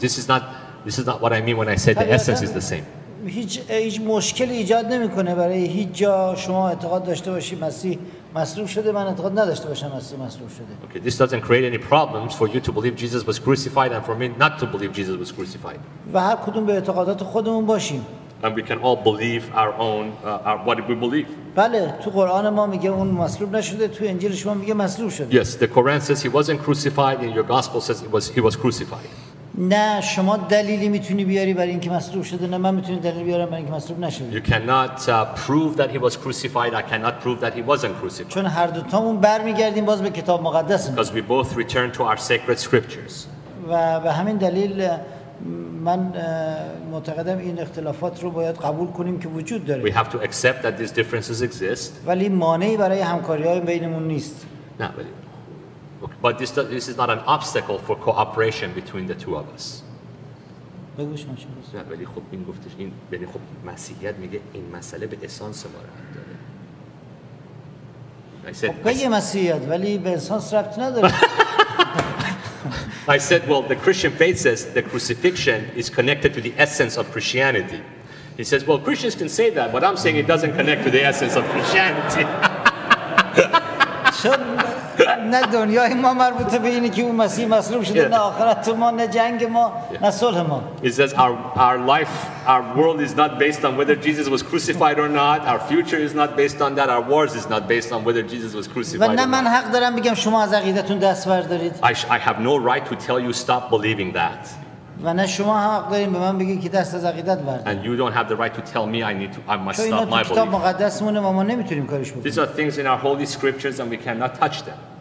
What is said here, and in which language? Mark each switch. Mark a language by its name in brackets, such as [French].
[English] This is not what I mean when I say the essence is the same. [Persian] هیچ مشکلی ایجاد نمیکنه برای هیچ جا شما اعتقاد داشته باشی مسیح مصلوب شده، من اعتقاد نداشته باشم مسیح مصلوب شده. [English] Okay, this doesn't create any problems for you to believe Jesus was crucified and for me not to believe Jesus was crucified. [Persian] و هر کدوم به اعتقادات خودمون باشیم. [English] And we can all believe our own what we believe. [Persian] بله، تو قرآن ما میگه اون مصلوب نشده، تو انجیل شما میگه مصلوب شده. [English] Yes, the Quran says he wasn't crucified, and your gospel says he was crucified. [Persian] نه، شما دلیلی میتونی بیاری برای اینکه مصلوب شده، نه من میتونم دلیل بیارم برای اینکه مصلوب نشده. [English] You cannot prove that he was crucified. I cannot prove that he wasn't crucified. [Persian] چون هر دو تامون برمیگردیم باز به کتاب مقدس. [English] Because we both return to our sacred scriptures. [Persian] و به همین دلیل من معتقدم این اختلافات رو باید قبول کنیم که وجود داره. [English] We have to accept that these differences exist. [Persian] ولی مانعی برای همکاری‌های بینمون نیست. نه ولی. Okay. [English] But this is not an obstacle for cooperation between the two of us. [Persian] بگو شما چی می‌گید؟ نه ولی خب این گفتش این یعنی خب مسیحیت میگه این مسئله به اسانس ما ربط داره. بگه مسیحیت ولی به اسانس ربط نداره. [English] I said, well, the Christian faith says the crucifixion is connected to the essence of Christianity. He says, well, Christians can say that, but I'm saying it doesn't connect to the essence of Christianity. [Persian] چون نه دنیای ما مربوطه به اینه که اون مسیح مصلوب شده، نه آخرت ما، نه جنگ ما، نه صلح ما. [English] He says, our life, our world is not based on whether Jesus was crucified or not. Our future is not based on that. Our wars is not based on whether Jesus was crucified or not. [Persian] و نه من حق دارم بگم شما از عقیدتون دست بردارید. [English] I have no right to tell you stop believing that. [Persian] و نه شما حق دارین به من بگید که دست از عقیدت بردارید. [English] And you don't have the right to tell me I must stop my belief. [Persian] چون اینا کتاب مقدسمونه و ما نمیتونیم کارش بکنیم. [English] These are things in our holy scriptures and we cannot touch them.